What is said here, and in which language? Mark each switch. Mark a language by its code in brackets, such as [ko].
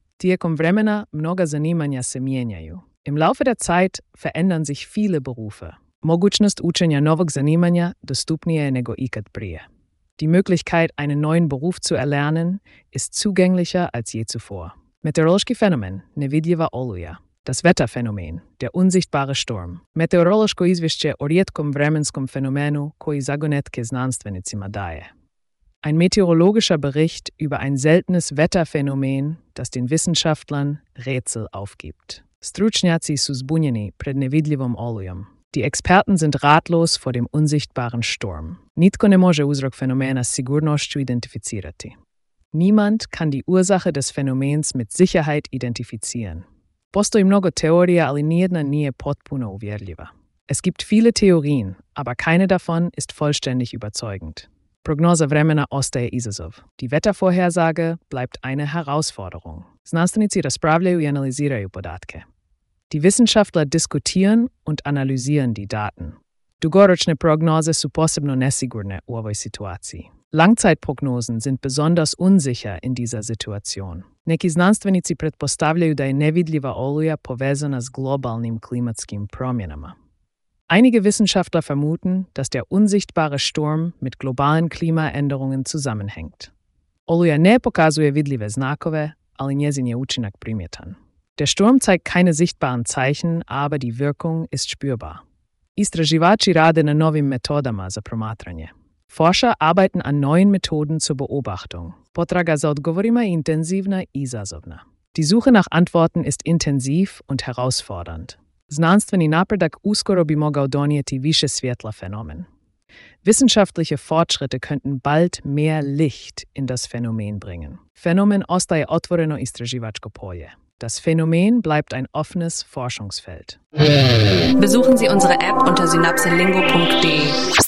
[hr] Tijekom vremena mnoga zanimanja se mijenjaju. [de] Im Laufe der Zeit verändern sich viele Berufe. [hr] Mogućnost učenja novog zanimanja dostupnije je nego ikad prije. [de] Die Möglichkeit, einen neuen Beruf zu erlernen, ist zugänglicher als je zuvor. [hr] Meteorološki fenomen, nevidljiva oluja. [de] Das Wetterphänomen, der unsichtbare Sturm. [hr] Meteorološko izvješće o rijetkom vremenskom fenomenu koji zagonetke znanstvenicima daje. [de] Ein meteorologischer Bericht über ein seltenes Wetterphänomen, das den Wissenschaftlern Rätsel aufgibt. [hr] Stručnjaci su zbunjeni pred nevidljivom olujom. [de] Die Experten sind ratlos vor dem unsichtbaren Sturm. [hr] Nitko ne može uzrok fenomena sigurnošću identificirati. [de] Niemand kann die Ursache des Phänomens mit Sicherheit identifizieren. [hr] Postoji mnogo teorija, ali nijedna nije potpuno uvjerljiva. [de] Es gibt viele Theorien, aber keine davon ist vollständig überzeugend. [hr] Prognoza vremena ostaje izazov. [de] Die Wettervorhersage bleibt eine Herausforderung. [hr] Znanstvenici raspravljaju i analiziraju podatke. [de] Die Wissenschaftler diskutieren und analysieren die Daten. [hr] Dugoročne prognoze su posebno nesigurne u ovoj situaciji. [de] Langzeitprognosen sind besonders unsicher in dieser Situation. [hr] Neki znanstvenici pretpostavljaju da je nevidljiva oluja povezana s globalnim klimatskim promjenama. [de] Einige Wissenschaftler vermuten, dass der unsichtbare Sturm mit globalen Klimaänderungen zusammenhängt. [hr] Oluja ne pokazuje vidljive znakove, ali njezin je učinak primjetan. [de] Der Sturm zeigt keine sichtbaren Zeichen, aber die Wirkung ist spürbar. [hr] Istraživači rade na novim metodama za promatranje. [de] Forscher arbeiten an neuen Methoden zur Beobachtung. [hr] Potraga za odgovorima je intenzivna i izazovna. [de] Die Suche nach Antworten ist intensiv und herausfordernd. [hr] Znanstveni napredak uskoro bi mogao donijeti više svjetla fenomen. [de] Wissenschaftliche Fortschritte könnten bald mehr Licht in das Phänomen bringen. [hr] Fenomen ostaje otvoreno istraživačko polje. [de] Das Phänomen bleibt ein offenes Forschungsfeld. Besuchen Sie unsere App unter synapselingo.de.